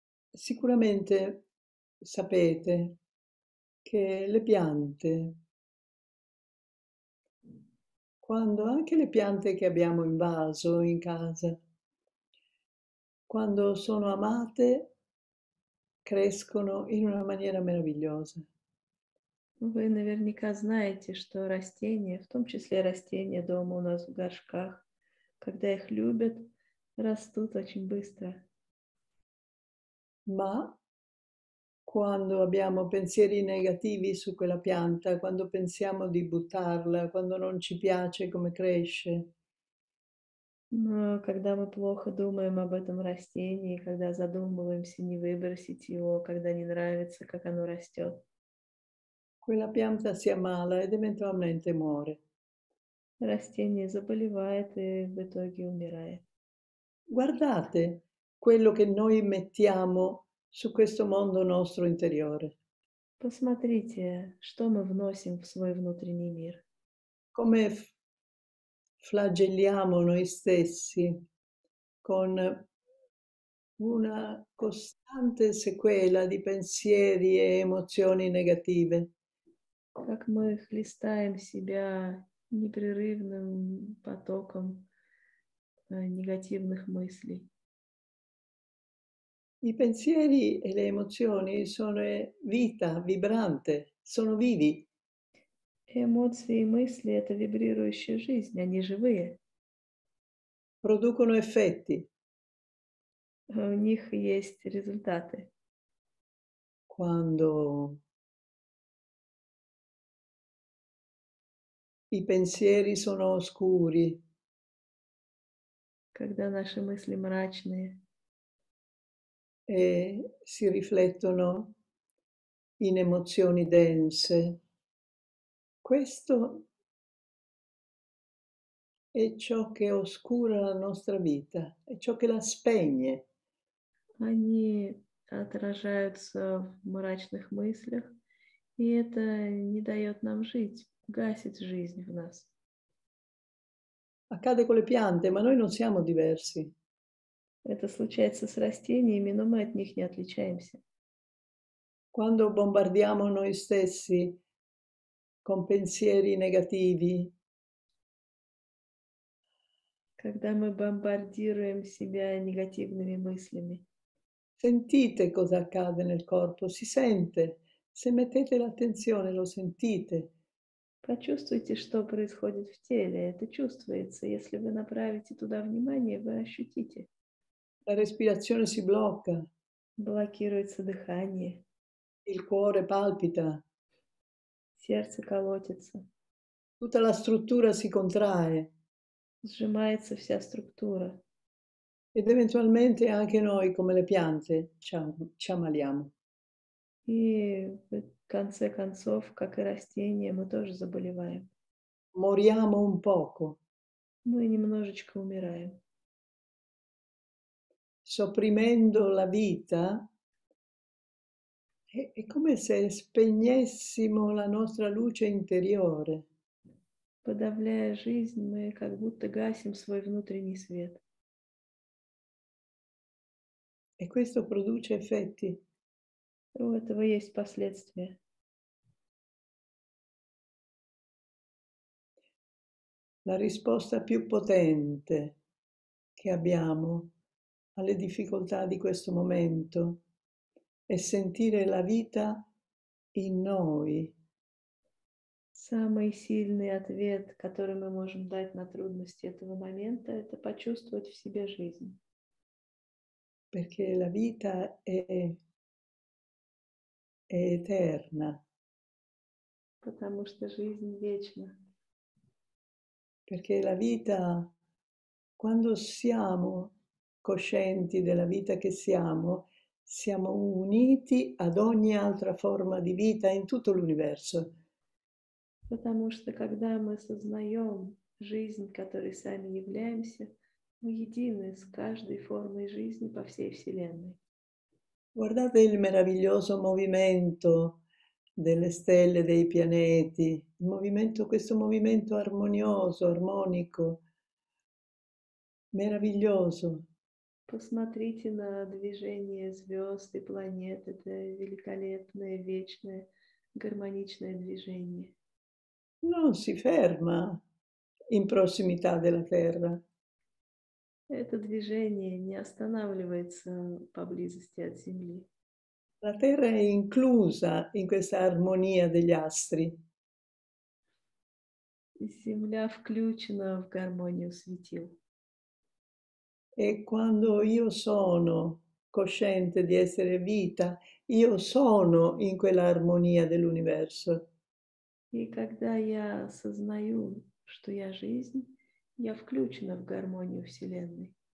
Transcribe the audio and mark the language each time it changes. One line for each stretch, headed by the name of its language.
Italian: Sicuramente sapete che le piante, quando anche le piante che abbiamo in vaso in casa, quando sono amate, crescono in una maniera meravigliosa.
Russian: Вы наверняка знаете, что растения, в том числе растения дома у нас в горшках, когда их любят, растут очень быстро.
Italian: Ma quando abbiamo pensieri negativi su quella pianta, quando pensiamo di buttarla, quando non ci piace come cresce.
Russian: Но когда мы плохо думаем об этом растении, когда задумываемся не выбросить его, когда не нравится, как оно растет.
Italian: Quella pianta si ammala ed eventualmente muore.
Russian: Растение заболевает и в итоге умирает.
Italian: Guardate quello che noi mettiamo su questo mondo nostro interiore.
Russian: Посмотрите, что мы вносим в свой внутренний мир.
Italian: Come flagelliamo noi stessi con una costante sequela di pensieri e emozioni negative.
Russian: Как мы хлестаем себя непрерывным потоком негативных мыслей.
Italian: I pensieri e le emozioni sono vita vibrante, sono vivi.
Russian: Эмоции и мысли — это вибрирующая жизнь, они живые.
Italian: Producono effetti.
Russian: У них есть результаты.
Italian: Quando i pensieri sono oscuri.
Russian: Когда наши мысли мрачные.
Italian: E si riflettono in emozioni dense. Questo è ciò che oscura la nostra vita, è ciò che la spegne.
Russian: Они отражаются в мрачных мыслях, и это не дает нам жить, гасит жизнь в нас.
Italian: Accade con le piante, ma noi non siamo diversi.
Russian: Это случается с растениями, но мы от них не отличаемся.
Italian: Quando bombardiamo noi stessi con pensieri negativi.
Russian: Когда мы бомбардируем себя негативными мыслями.
Italian: Sentite cosa accade nel corpo, si sente. Se mettete l'attenzione, lo sentite.
Russian: Почувствуйте, что происходит в теле. Это чувствуется. Если вы направите туда внимание, вы ощутите.
Italian: La respirazione si blocca.
Russian: Блокируется дыхание.
Italian: Il cuore palpita.
Russian: Сердце колотится.
Italian: Tutta la struttura si contrae.
Russian: Сжимается вся структура.
Italian: Ed eventualmente anche noi, come le piante, ci ammaliamo.
Russian: И в конце концов, как и растения, мы тоже заболеваем.
Italian: Moriamo un poco.
Russian: Мы немножечко умираем.
Italian: Sopprimendo la vita, è come se spegnessimo la nostra luce interiore.
Russian: Подавляя жизнь, мы как будто гасим свой внутренний свет.
Italian: E questo produce effetti.
Russian: У этого есть последствия.
Italian: La risposta più potente che abbiamo alle difficoltà di questo momento è sentire la vita in noi.
Russian: Самый сильный ответ, который мы можем дать на трудности этого момента, это почувствовать в себе жизнь.
Italian: Perché la vita è eterna.
Russian: Потому что жизнь вечна.
Italian: Perché la vita, quando siamo coscienti della vita che siamo, siamo uniti ad ogni altra forma di vita in tutto l'universo.
Russian: Потому что когда мы осознаем жизнь, которой сами являемся, мы едины с каждой формой жизни по всей Вселенной.
Italian: Guardate il meraviglioso movimento delle stelle, dei pianeti, il movimento, questo movimento armonioso, armonico, meraviglioso.
Russian: Посмотрите на движение звезд и планет, это великолепное, вечное, гармоничное движение.
Italian: Non si ferma in prossimità della Terra.
Russian: Это движение не останавливается поблизости от Земли.
Italian: La Terra è inclusa in questa armonia degli astri.
Russian: Земля включена в гармонию светил.
Italian: E quando io sono cosciente di essere vita, io sono in quella armonia dell'universo.
Russian: И когда я осознаю, что я жизнь, я включена в гармонию Вселенной.